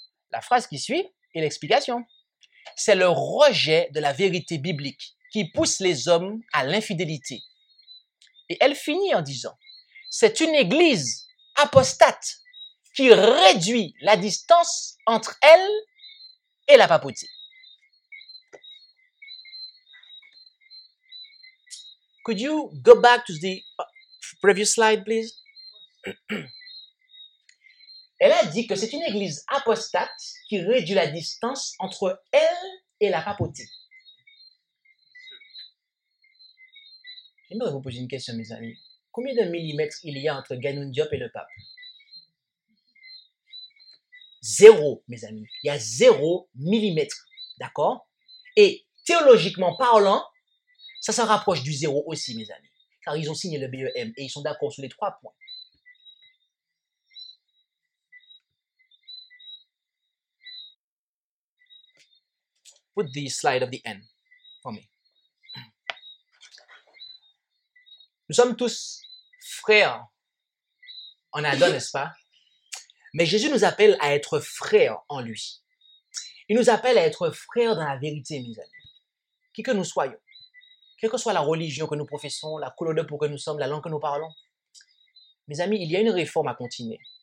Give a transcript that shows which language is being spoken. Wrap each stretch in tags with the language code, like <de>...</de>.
<fr>La phrase qui suit est l'explication. C'est le rejet de la vérité biblique qui pousse les hommes à l'infidélité. Et elle finit en disant, c'est une église apostate qui réduit la distance entre elle et la papauté.</fr> <en>Could you go back to the previous slide, please?</en> <fr>Elle a dit que c'est une église apostate qui réduit la distance entre elle et la papauté. J'aimerais vous poser une question, mes amis. Combien de millimètres il y a entre Ganoun Diop et le pape? Zéro, mes amis. Il y a zéro millimètre. D'accord? Et théologiquement parlant, ça se rapproche du zéro aussi, mes amis. Car ils ont signé le BEM et ils sont d'accord sur les trois points.</fr> <en>Put the slide of the end for me.</en> <fr>Nous sommes tous frères en Adam, n'est-ce pas? Mais Jésus nous appelle à être frères en lui. Il nous appelle à être frères dans la vérité, mes amis. Qui que nous soyons, quelle que soit la religion que nous professons, la couleur de peau que nous sommes, la langue que nous parlons, mes amis, il y a une réforme à continuer.</fr>